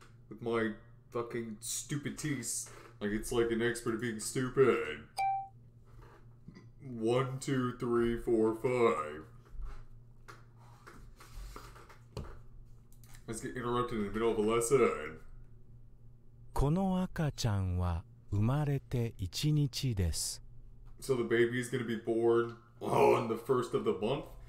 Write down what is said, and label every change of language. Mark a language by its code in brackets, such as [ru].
[en] With my fucking stupid teeth, like, it's like an expert at being stupid. 1, 2, 3, 4, 5. Let's get interrupted in the middle of a lesson. [ja] この赤ちゃんは生まれて1日です。 [en] So the baby is going to be born on the first of the month.